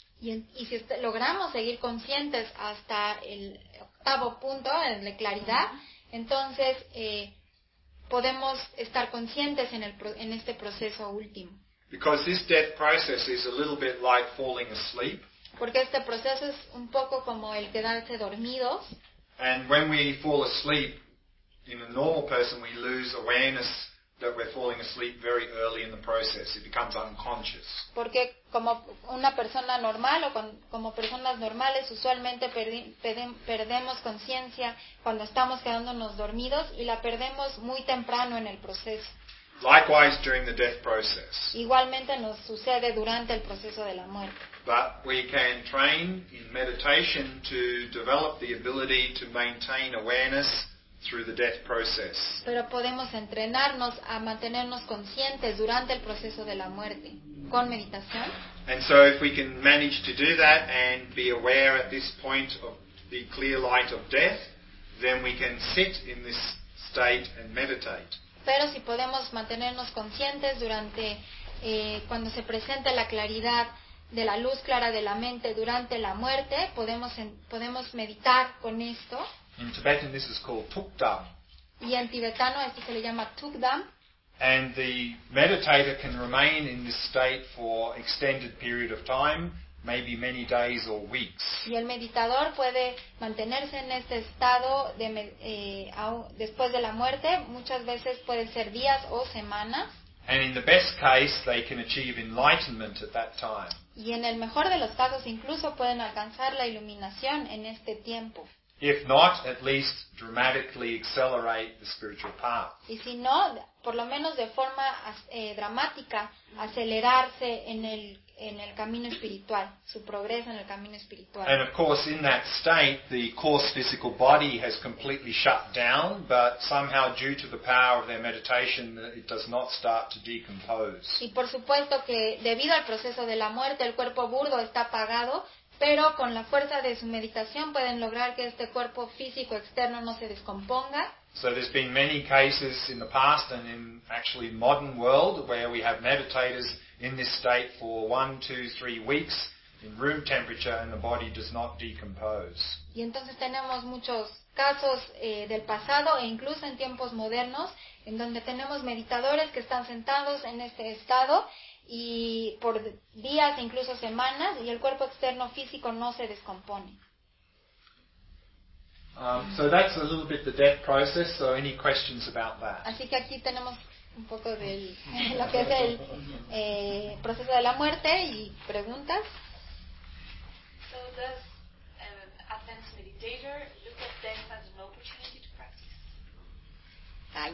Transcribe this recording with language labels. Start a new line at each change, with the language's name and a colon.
Spanish: Y si logramos seguir conscientes hasta el octavo punto, el de claridad, entonces podemos estar conscientes en este proceso último.
English: Because this death process is a little bit like falling asleep.
Spanish: Porque este proceso es un poco como el quedarse dormidos.
English: And when we fall asleep, in a normal person, we lose awareness that we're falling asleep very early in the process. It becomes unconscious.
Spanish: Porque como una persona normal o como personas normales, usualmente perdemos conciencia cuando estamos quedándonos dormidos y la perdemos muy temprano en el proceso.
English: Likewise during the death process.
Spanish: Igualmente nos sucede durante el proceso de la muerte.
English: But we can train in meditation to develop the ability to maintain awareness through the death process.
Spanish: Pero podemos entrenarnos a mantenernos conscientes durante el proceso de la muerte con meditación.
English: And so if we can manage to do that and be aware at this point of the clear light of death, then we can sit in this state and meditate.
Spanish: Pero si podemos mantenernos conscientes durante cuando se presenta la claridad de la luz clara de la mente durante la muerte, podemos meditar con esto.
English: In Tibetan, this is called tukdam.
Spanish: Y en tibetano esto se le llama tukdam.
English: And the meditator can remain in this state for extended period of time, maybe many days or weeks.
Spanish: Y el meditador puede mantenerse en este estado de después de la muerte, muchas veces pueden ser días o semanas.
English: And in the best case, they can achieve enlightenment at that time.
Spanish: Y en el mejor de los casos incluso pueden alcanzar la iluminación en este tiempo.
English: If not, at least dramatically accelerate the spiritual path.
Spanish: Y si no, por lo menos de forma dramática, acelerarse en el camino espiritual, su progreso en el camino espiritual.
English: And of course, in that state, the coarse physical body has completely shut down, but somehow, due to the power of their meditation, it does not start to decompose.
Spanish: Y por supuesto que debido al proceso de la muerte, el cuerpo burdo está apagado, pero con la fuerza de su meditación pueden lograr que este cuerpo físico externo no se descomponga.
English: So there's been many cases in the past and in actually modern world where we have meditators in this state for 1, 2, 3 weeks in room temperature and the body does not decompose.
Spanish: Y entonces tenemos muchos casos del pasado e incluso en tiempos modernos en donde tenemos meditadores que están sentados en este estado y por días e incluso semanas y el cuerpo externo físico no se descompone.
English: So that's a little bit the death process. So any questions about that?
Spanish: Así que aquí tenemos un poco del lo que es el proceso de la muerte y preguntas.
English: So does an advanced meditator look at death as an opportunity to practice? Ay.